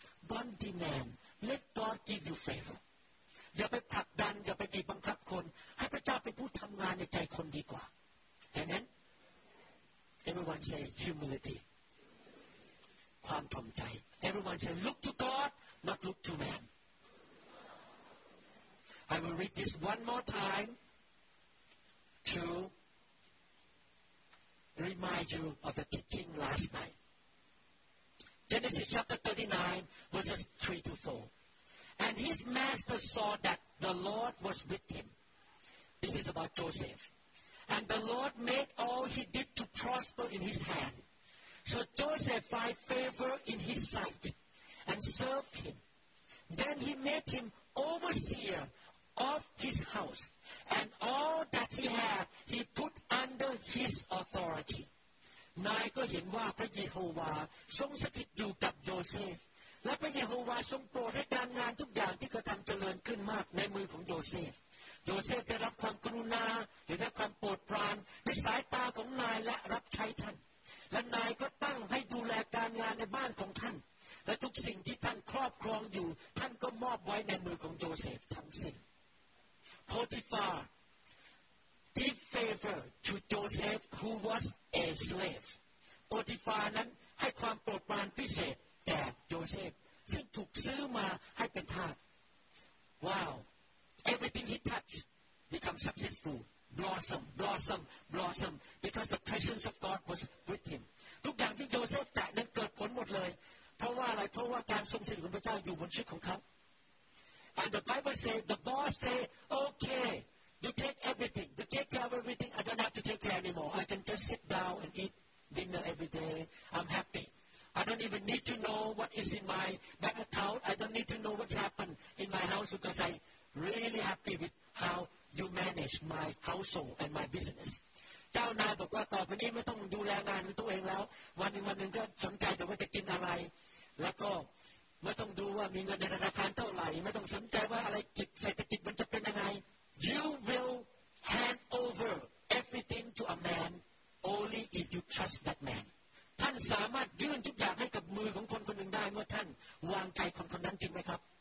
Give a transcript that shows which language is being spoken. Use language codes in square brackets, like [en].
[en] Don't demand Let God give you favor [th] อย่าไปผลักดันอย่าไปบีบบังคับคนให้พระเจ้าเป็นผู้ทำงานในใจคนดีกว่าเห็นไหม [en] Everyone say humility [th] ความถ่อมใจ [en] Everyone say look to God not look to man I will read this one more time toRemind you of the teaching last night. Genesis chapter 39, verses 3 to 4. And his master saw that the Lord was with him. This is about Joseph. And the Lord made all he did to prosper in his hand. So Joseph found favor in his sight and served him. Then he made him overseer of his house. And all that he had, he put under his authority. [th] นายก็เห็นว่าพระเยโฮวาทรงสถิตอยู่กับโยเซฟและพระเยโฮวาทรงโปรดให้การงานทุกอย่างที่กระทำเจริญขึ้นมากในมือของโยเซฟโยเซฟได้รับความกรุณาได้รับความโปรดปรานในสายตาของนายและรับใช้ท่าน และนายก็ตั้งให้ดูแลการงานในบ้านของท่านและทุกสิ่งที่ท่านครอบครองอยู่ท่านก็มอบไว้ในมือของโยเซฟทั้งสิ้น [en] Potiphar did favor to Joseph who was a slave. [th] Potiphar นั้นให้ความโปรดปรานพิเศษแก่โยเซฟซึ่งถูกซื้อมาให้เป็นทาส Wow! [en] Everything he touched become successful, blossom because the presence of God was with him. [th] ทุกอย่างที่โยเซฟแตะนั้นเกิดผลหมดเลยเพราะว่าอะไรเพราะว่าการทรงสถิตของพระเจ้าอยู่บนชีวิตของเขา [en] And the Bible says, the boss say, okay, you take everything, you take care of everything, I don't have to take care anymore. I can just sit down and eat dinner every day. I'm happy. I don't even need to know what is in my bank account. I don't need to know what's happened in my house because I'm really happy with how you manage my household and my business. [th] เจ้านายบอกว่าต่อไปนี้ไม่ต้องดูแลงานตัวเองแล้ววันหนึ่งก็สนใจแต่ว่าจะกินอะไรแล้วก็ไม่ต้องดูว่ามีเงินในธนาคารเท่าไหร่ไม่ต้องสนใจว่าอะไรกิจเศรษฐกิจมันจะเป็นยังไง [en] You will hand over everything to a man only if you trust that man [th] ท่านสามารถยื่นทุกอย่างให้กับมือของคนคนหนึ่งได้เมื่อท่านวางใจคนคนนั้นจริงไหมครับ